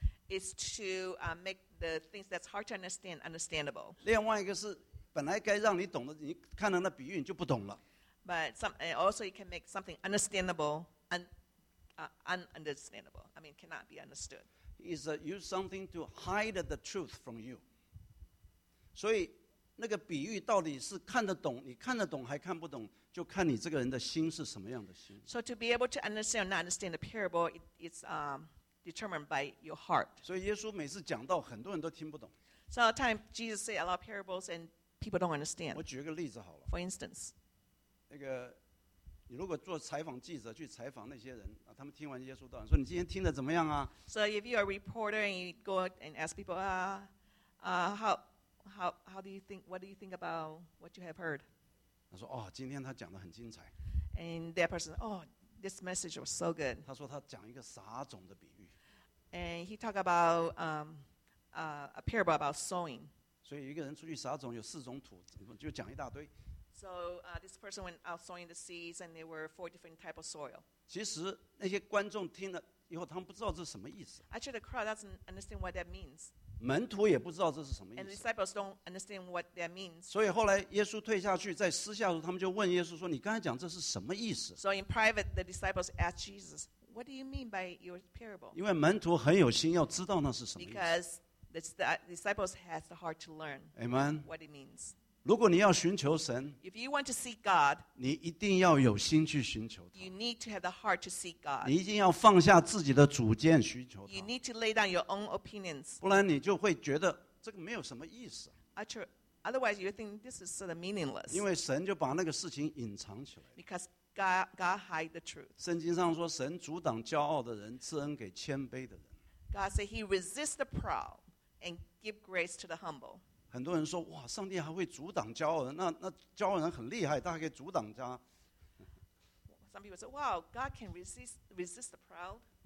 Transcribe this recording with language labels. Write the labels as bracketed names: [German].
[English] Is to make the things that's hard to understand understandable. [Chinese] 另外一个是本来该让你懂的，你看到那比喻你就不懂了。 [English] But also you can make something understandable ununderstandable. I mean, cannot be understood. Is use something to hide the truth from you. [Chinese] 所以那个比喻到底是看得懂，你看得懂还看不懂，就看你这个人的心是什么样的心。 [English] So to be able to understand or not understand the parable, it's determined by your heart. [Chinese] 所以耶稣每次讲到很多人都听不懂。 [English] So all the time Jesus say a lot of parables and people don't understand. [Chinese] 我举一个例子好了。 [English] For instance, [Chinese] 那个你如果做采访记者去采访那些人、啊、他们听完耶稣道说你今天听得怎么样啊。 [English] So if you're a reporter and you go and ask people how do you think, what do you think about what you have heard? [Chinese] 他说哦今天他讲得很精彩。 [English] And that person, oh this message was so good. [Chinese] 他说他讲一个撒种的比喻。 [English] And he talked about a parable about sowing. [Chinese] 所以一个人出去撒种有四种土，怎么就讲一大堆。 [English] So this person went out sowing the seeds, and there were four different types of soil. [Chinese] 其实那些观众听了以后，他们不知道这是什么意思。 [English] Actually, the crowd doesn't understand what that means. [Chinese] 门徒也不知道这是什么意思。 [English] And the disciples don't understand what that means. [Chinese] 所以后来耶稣退下去，在私下的时候，他们就问耶稣说：“你刚才讲这是什么意思？” [English] So in private, the disciples asked Jesus, "What do you mean by your parable?" [Chinese] 因为门徒很有心要知道那是什么意思。 [English] Because the disciples has the heart to learn. Amen. What it means. [Chinese] 如果你要寻求神, [English] if you want to seek God, [Chinese] 你一定要有心去寻求他。 [English] You need to have the heart to seek God. [Chinese] 你一定要放下自己的主见寻求他。 [English] You need to lay down your own opinions. [Chinese] 不然你就会觉得这个没有什么意思。 [English] Otherwise, you think this is sort of meaningless. [Chinese] 因为神就把那个事情隐藏起来。 [English] Because God hide the truth. [Chinese] 圣经上说神阻挡骄傲的人, 赐恩给谦卑的人。 [English] God said he resists the proud and give grace to the humble. [Chinese] 很多人说，哇，上帝还会阻挡骄傲人？那骄傲人很厉害，他还可以阻挡他。 [English] Some people say, "Wow, God can resist the proud."